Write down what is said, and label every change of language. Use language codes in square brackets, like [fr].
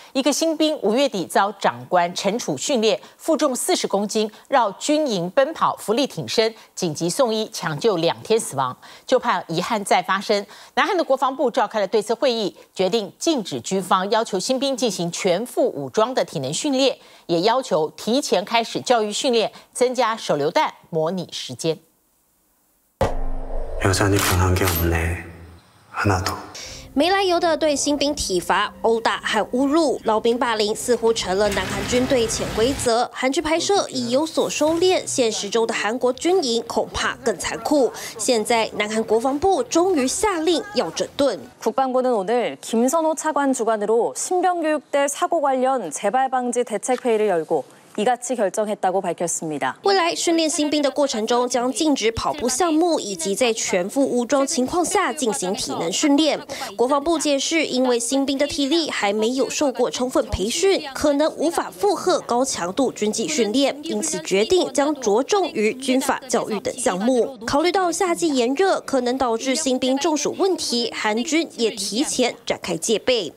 [zh] 一个新兵5月底遭长官惩处训练，负重40公斤，绕军营奔跑，浮力挺身，紧急送医抢救2天死亡，就怕遗憾再发生。南韩的国防部召开了对策会议，决定禁止军方要求新兵进行全副武装的体能训练，也要求提前开始教育训练，增加手榴弹模拟时间。 [ko] 여전히변한게없네하나도 [zh] 没来由的对新兵体罚、殴打和侮辱，老兵霸凌似乎成了南韩军队潜规则。韩剧拍摄已有所收敛，现实中的韩国军营恐怕更残酷。现在南韩国防部终于下令要整顿。 [ko] 국방부는오늘김선호차관주관으로신병교육대사고관련재발방지대책회의를열고이같이결정했다고밝혔습니다 [zh] 未来训练新兵的过程中将禁止跑步项目以及在全副武装情况下进行体能训练国防部解释因为新兵的体力还没有受过充分培训可能无法负荷高强度军纪训练因此决定将着重于军法教育等项目考虑到夏季炎热可能导致新兵中暑问题韩军也提前展开戒备